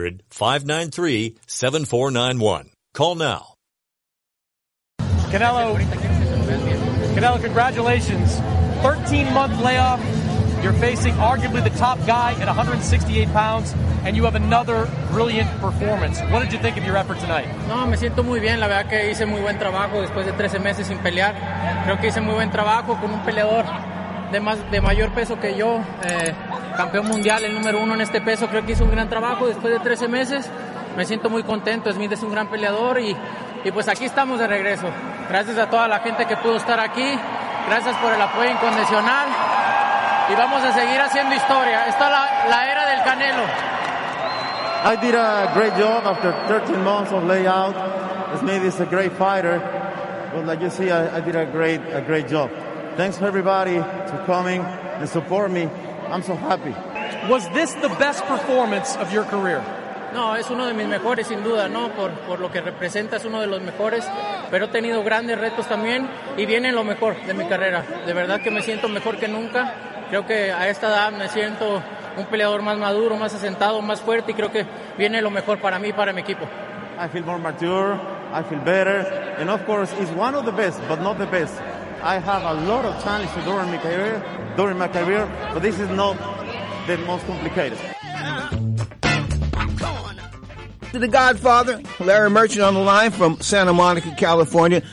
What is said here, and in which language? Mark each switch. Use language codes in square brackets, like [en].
[en] 800-593-7491. Call now. Canelo, congratulations. 13-month layoff. You're facing arguably the top guy at 168 pounds, and you have another brilliant performance. What did you think of your effort tonight? [es] No, me siento muy bien. La verdad que hice muy buen trabajo después de 13 meses sin pelear. Creo que hice muy buen trabajo con un peleador de mayor peso que yo, campeón mundial, el número uno en este peso. Creo que hice un gran trabajo después de 13 meses. Me siento muy contento. Smith es un gran peleador y pues aquí estamos de regreso. Gracias a toda la gente que pudo estar aquí. Gracias por el apoyo incondicional. Y vamos a seguir haciendo historia. Esta es la era del Canelo. [en] I did a great job after 13 months of layout. Smith is a great fighter. But like you see, I did a great job. Thanks for everybody for coming and support me. I'm so happy. Was this the best performance of your career? [es] No, es uno de mis mejores, sin duda, ¿no? Por lo que representa, es uno de los mejores. Pero he tenido grandes retos también. Y viene lo mejor de mi carrera. De verdad que me siento mejor que nunca. Creo que a esta edad me siento un peleador más maduro, más asentado, más fuerte, y creo que viene lo mejor para mí y para mi equipo. [en] I feel more mature, I feel better, and of course, it's one of the best, but not the best. I have a lot of challenges during my career, but this is not the most complicated. To the Godfather, Larry Merchant on the line from Santa Monica, California.